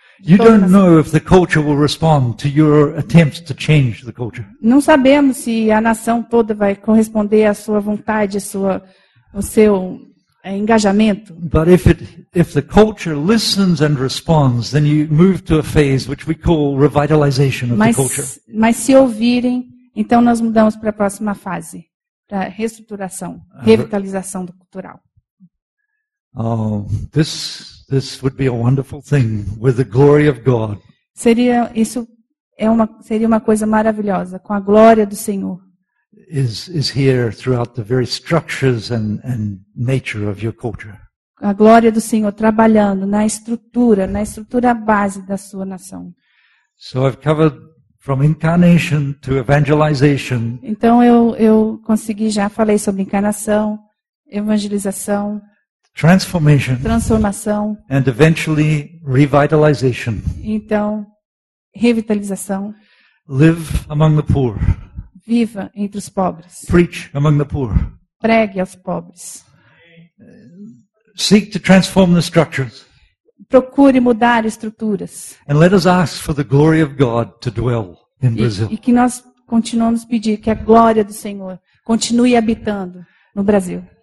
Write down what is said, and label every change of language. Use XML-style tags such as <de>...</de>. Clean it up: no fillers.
<en>You don't know if the culture will respond to your attempts to change the culture.</en> <pt>Não sabemos se a nação toda vai corresponder à sua vontade, o seu engajamento.</pt> <en>But if the culture listens and responds, then you move to a phase which we call revitalization of the culture.</en> <pt>Mas se ouvirem, então nós mudamos para a próxima fase, para reestruturação, revitalização cultural.</pt> <en>This would be a wonderful thing with the glory of God.</en> <pt>Seria uma coisa maravilhosa com a glória do Senhor.</pt> <en>Is here throughout the very structures and nature of your culture.</en> <pt>A glória do Senhor trabalhando na estrutura base da sua nação.</pt> <en>So I've covered from incarnation to evangelization.</en> <pt>Então eu consegui, já falei sobre encarnação, evangelização,</pt> <en>transformação, and eventually revitalization.</en> <pt>Então, revitalização.</pt> <en>Live among the poor.</en> <pt>Viva entre os pobres.</pt> <en>Preach among the poor.</en> <pt>Pregue aos pobres.</pt> <en>Seek to transform the structures.</en> <pt>Procure mudar estruturas.</pt> <en>And let us ask for the glory of God to dwell in Brazil.</en> <pt>E que nós continuemos pedir que a glória do Senhor continue habitando no Brasil.</pt>